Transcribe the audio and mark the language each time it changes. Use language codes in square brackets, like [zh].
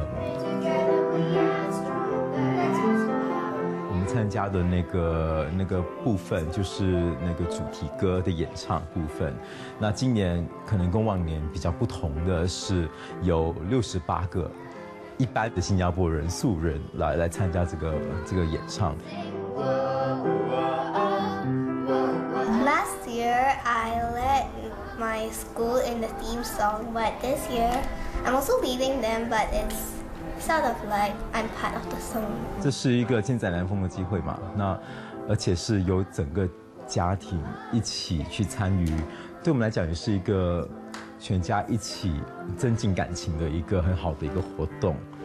[zh] 我们参加的那个部分就是那个主题歌的演唱部分。那今年可能跟往年比较不同的是，有68个。一般的新加坡人素人来参加这个演唱。 [en] Last year I led my school in the theme song, but this year I'm also leading them, but it's sort of like I'm part of the song. [zh] 这是一个千载难逢的机会嘛，那而且是由整个家庭一起去参与，对我们来讲也是一个全家一起增进感情的一个很好的一个活动。